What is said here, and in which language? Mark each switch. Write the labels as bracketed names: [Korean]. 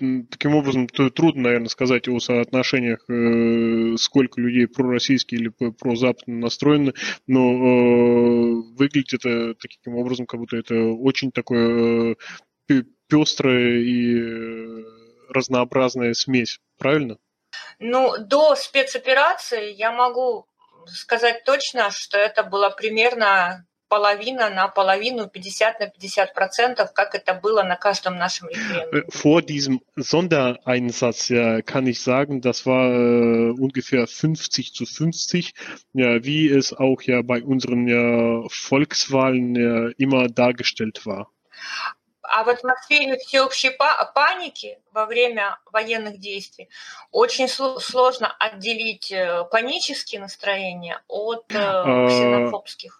[Russian] Таким образом, трудно, наверное, сказать о соотношениях, сколько людей пророссийские или прозападно настроены, но выглядит это таким образом, как будто это очень такое пестрое и разнообразная смесь, правильно? Ну, до спецоперации я могу сказать точно, что это было примерно половина на половину, 50% на 50%, как это было на каждом нашем референдуме. [German] Vor diesem Sondereinsatz, ja, kann ich sagen, das war ungefähr 50-50, ja, wie es auch ja bei unseren ja Volkswahlen ja immer dargestellt war. [Russian] А в атмосфере всеобщей паники во время военных действий очень сложно отделить панические настроения от ксенофобских.